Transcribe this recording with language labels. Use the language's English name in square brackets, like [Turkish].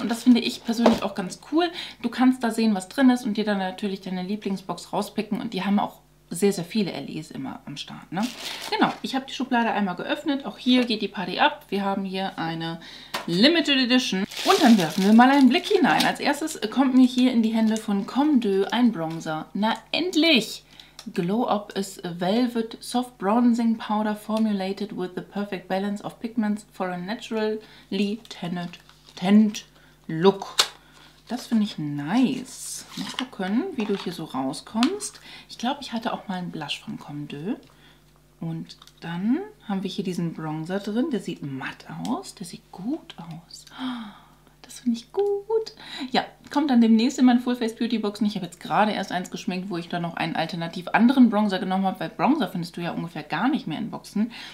[German] Und das finde ich persönlich auch ganz cool. Du kannst da sehen, was drin ist und dir dann natürlich deine Lieblingsbox rauspicken. Und die haben auch sehr, sehr viele LEs immer am Start, ne? Genau, ich habe die Schublade einmal geöffnet. Auch hier geht die Party ab. Wir haben hier eine Limited Edition. Und dann werfen wir mal einen Blick hinein. Als erstes kommt mir hier in die Hände von Comme des ein Bronzer. Na endlich! [English] Glow Up is a velvet soft bronzing powder formulated with the perfect balance of pigments for a naturally tanned look. [German] Das finde ich nice. Mal gucken, wie du hier so rauskommst. Ich glaube, ich hatte auch mal einen Blush von Comme des. Und dann haben wir hier diesen Bronzer drin. Der sieht matt aus. Der sieht gut aus. Das finde ich gut. Ja, kommt dann demnächst in meine Full-Face-Beauty-Boxen. Ich habe jetzt gerade erst eins geschminkt, wo ich dann noch einen alternativ anderen Bronzer genommen habe. Weil Bronzer findest du ja ungefähr gar nicht mehr in Boxen.